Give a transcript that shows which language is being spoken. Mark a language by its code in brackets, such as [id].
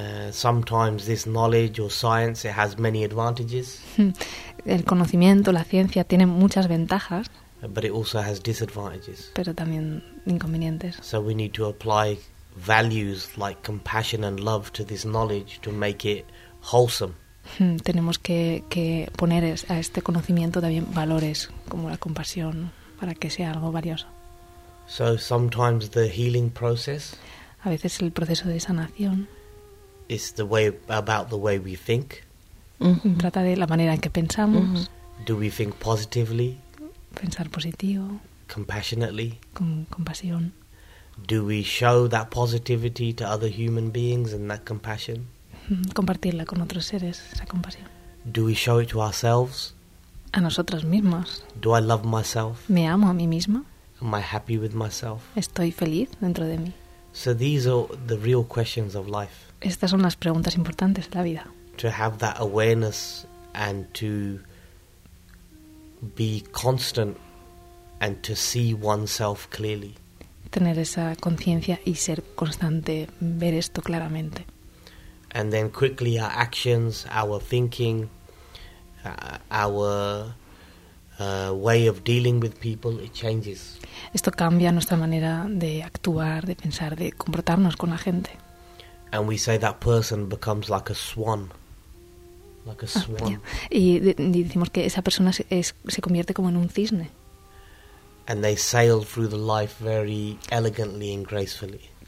[en] Sometimes this knowledge or science, it has many advantages. [es] El conocimiento, la ciencia, tiene muchas ventajas. [en] But it also has disadvantages. [es] Pero también inconvenientes. [en] So we need to apply values like compassion and love to this knowledge to make it wholesome. [es] Tenemos que poner a este conocimiento también valores como la compasión para que sea algo valioso. [en] So sometimes the healing process, [es] a veces el proceso de sanación, [en] is the way about the way we think. [es] Trata de la manera en que pensamos. [en] Do we think positively? [es] Pensar positivo. [en] Compassionately. [es] Con compasión. [en] Do we show that positivity to other human beings and that compassion? [es] Compartirla con otros seres, esa compasión. [en] Do we show it to ourselves? [es] A nosotros mismos. [en] Do I love myself? [es] Me amo a mí misma. [en] Am I happy with myself? [es] Estoy feliz dentro de mí. [en] So these are the real questions of life. [es] Estas son las preguntas importantes de la vida. [en] To have that awareness and to be constant and to see oneself clearly. [es] Tener esa conciencia y ser constante, ver esto claramente. [en] And then quickly our actions, our thinking, our way of dealing with people, it changes. [es] Esto cambia nuestra manera de actuar, de pensar, de comportarnos con la gente. [en] And we say that person becomes like a swan. Like a swan. Yeah. [es] Y decimos que esa persona se convierte como en un cisne. [en] And they sail through the life very elegantly and gracefully.